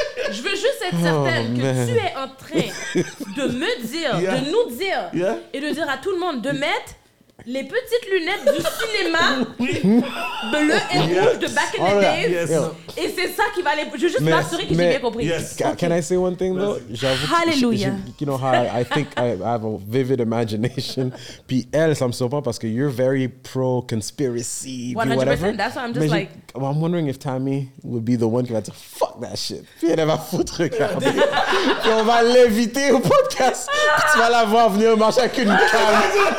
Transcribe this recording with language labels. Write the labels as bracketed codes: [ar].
[fr] Je veux juste être certaine que tu es en train de me dire, de nous dire, et de dire à tout le monde de mettre les petites lunettes du cinéma bleu et rouge de Back in the Days. Et c'est ça qui va aller... Je veux juste m'assurer que j'ai bien compris. [en] Can I say one thing, though? Hallelujah. You know how I think I have a vivid imagination. [fr] Puis elle, ça me surprend parce que [en] you're very pro-conspiracy, 100%, whatever. That's why I'm just like... Well, I'm wondering if Tammy would be the one who had to fuck that shit. [fr] Puis elle va foutre cam. Puis on va l'inviter au podcast. Puis tu vas la voir venir marcher avec une cam.